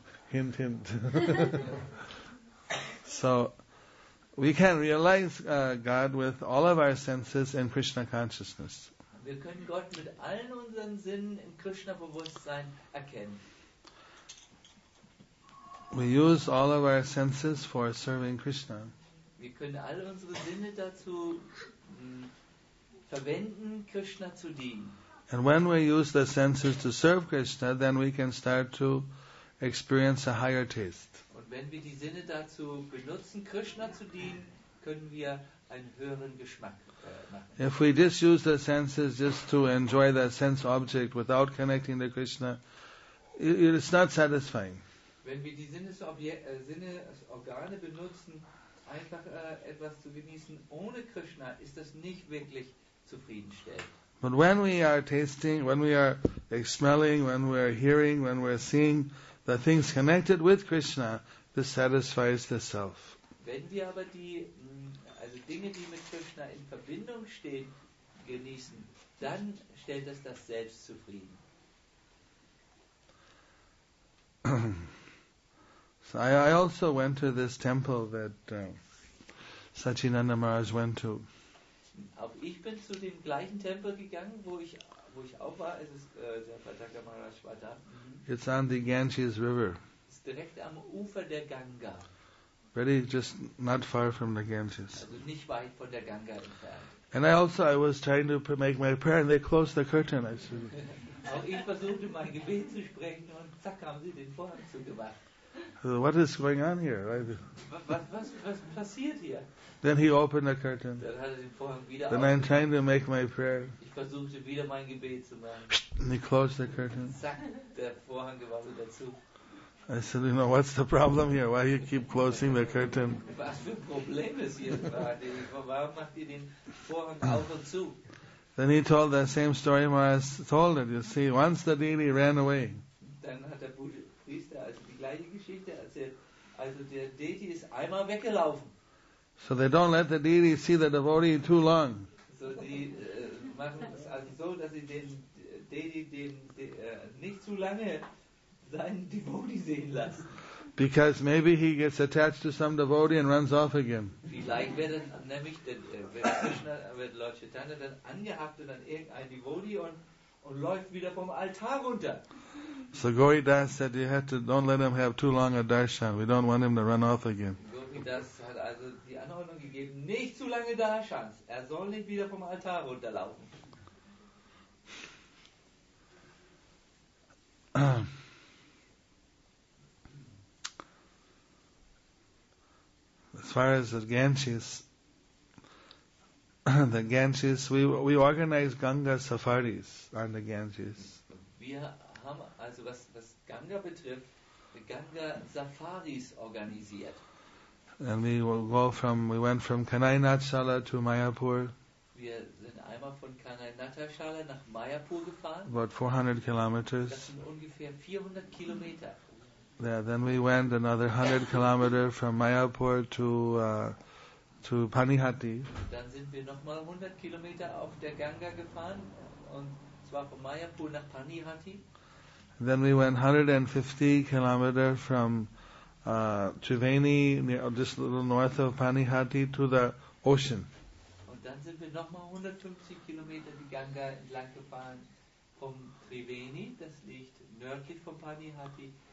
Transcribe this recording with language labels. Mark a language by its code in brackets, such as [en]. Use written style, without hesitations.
[en] Hint, hint. So, we can realize God with all of our senses and Krishna consciousness. [de] Wir können Gott mit allen unseren Sinnen im Krishna-Bewusstsein erkennen. [en] We use all of our senses for serving Krishna. [de] Wir können all unsere Sinne dazu verwenden, Krishna zu dienen. [en] And when we use the senses to serve Krishna, then we can start to experience a higher taste. [de] Und wenn wir die Sinne dazu benutzen, Krishna zu dienen, können wir einen höheren Geschmack machen. [en] If we just use the senses just to enjoy the sense object without connecting to Krishna, it's not satisfying. [de] Wenn wir die Sinnesorgane benutzen, einfach etwas zu genießen ohne Krishna, ist das nicht wirklich zufriedenstellend. [en] But when we are tasting, when we are smelling, when we are hearing, when we are seeing the things connected with Krishna, this satisfies the self. [de] Wenn wir aber die also Dinge, die mit Krishna in Verbindung stehen, genießen, dann stellt das das Selbst zufrieden. [en] So I also went to this temple that Satchinanda Maharaj went to. [de] Auch ich bin zu dem gleichen Tempel gegangen, wo ich auch war. Es ist der Pratyaka Maharaj war da. [en] It's on the Ganges River. [de] Es ist direkt am Ufer der Ganga. [en] Really, just not far from the Ganges. [de] Also nicht weit von der Ganga entfernt. [en] And I was trying to make my prayer, and they closed the curtain. I said. [de] Auch ich versuchte mein Gebet zu sprechen und zack haben sie den Vorhang zugemacht. [en] What is going on here? [de] Was passiert hier? [en] Then he opened the curtain. [de] Dann hat den Vorhang wieder [en] then I'm trying to make my prayer. [de] Ich versuchte wieder mein Gebet zu machen. [en] And he closed the curtain. [de] Zack, der Vorhang war wieder zu. [en] I said, you know, what's the problem here? Why do you keep closing the curtain? [de] Was für Problem ist hier? Warum macht ihr den Vorhang auf und zu? [en] Then he told the same story Maharaj told it. You see, once the deity ran away. [de] Dann hat der Priester also die gleiche Geschichte erzählt. Also der deity ist einmal weggelaufen. [en] So they don't let the deity see the devotee too long. [de] So die machen es also so, dass sie den deity nicht zu lange seinen Devotee sehen lassen. [en] Because maybe he gets attached to some devotee and runs off again. [de] Vielleicht wird nämlich wird Lord Chaitanya dann angehaftet und dann irgendein Devotee und läuft wieder vom Altar runter. [en] So Gauridas said you have to don't let him have too long a darshan. We don't want him to run off again. [de] Gauridas hat also die Anordnung gegeben, nicht zu lange Darshans. Er soll nicht wieder vom Altar runterlaufen. [en] As far as the Ganges, we organize Ganga safaris on the Ganges. [de] Wir haben also was Ganga betrifft, Ganga safaris organisiert. [en] And we went from Kanainatshala to Mayapur. [de] Wir sind einmal von Kanainatshala nach Mayapur gefahren. [en] About 400 kilometers. [de] Das sind ungefähr 400 Kilometer. [en] Yeah, then we went another 100 kilometer from Mayapur to Panihati. [de] Dann sind wir nochmal 100 kilometer auf der Ganga gefahren und zwar von Mayapur nach Panihati. [en] Then we went 150 kilometer from Triveni, just a little north of Panihati, to the ocean. [de] Und dann sind wir nochmal 150 kilometer die Ganga entlang gefahren vom Triveni, das liegt nördlich von Panihati.